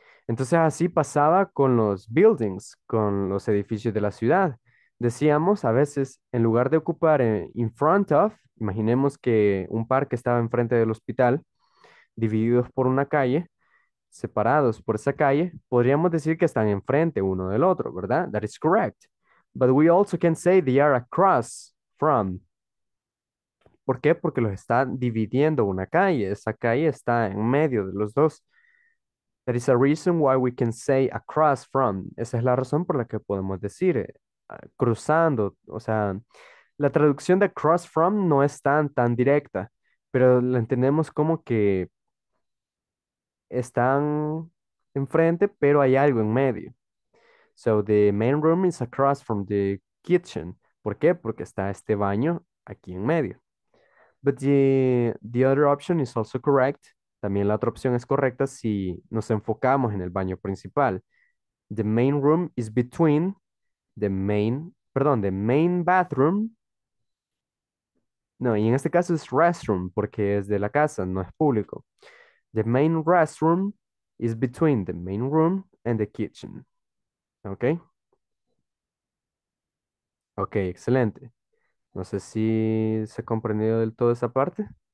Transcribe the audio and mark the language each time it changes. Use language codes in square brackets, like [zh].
[es] Entonces así pasaba con los buildings, con los edificios de la ciudad. Decíamos a veces, en lugar de ocupar in front of, imaginemos que un parque estaba enfrente del hospital, divididos por una calle, separados por esa calle, podríamos decir que están enfrente uno del otro, ¿verdad? [en] That is correct. But we also can say they are across from. [es] ¿Por qué? Porque los está dividiendo una calle. Esa calle está en medio de los dos. [en] That is a reason why we can say across from. [es] Esa es la razón por la que podemos decir cruzando. O sea, la traducción de across from no es tan directa, pero la entendemos como que están enfrente, pero hay algo en medio. [en] So the main room is across from the kitchen. [es] ¿Por qué? Porque está este baño aquí en medio. [en] But the other option is also correct. [es] También la otra opción es correcta si nos enfocamos en el baño principal. [en] The main room is between the main bathroom. [es] No, y en este caso es restroom porque es de la casa, no es público. [en] The main restroom is between the main room and the kitchen. Okay. [es] Okay, excelente. No sé si se ha comprendido del todo esa parte.